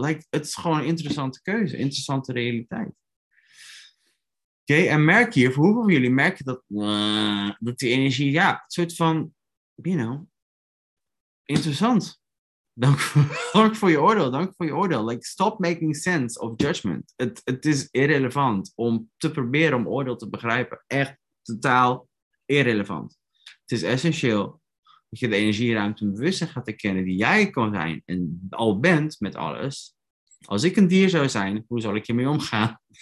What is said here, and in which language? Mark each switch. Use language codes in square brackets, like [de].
[nl] Like, het is gewoon een interessante keuze, interessante realiteit. Oké, okay, en merk je, voor hoeveel van jullie merk je dat die energie, ja, een soort van, [en] you know, [nl] interessant. Dank voor je oordeel, dank voor je oordeel. [en] Like, stop making sense of judgment. [nl] Het is irrelevant om te proberen om oordeel te begrijpen. Echt totaal irrelevant. Het is essentieel dat je de energieruimte en bewustzijn gaat herkennen die jij kan zijn en al bent met alles. Als ik een dier zou zijn, hoe zal ik hiermee omgaan?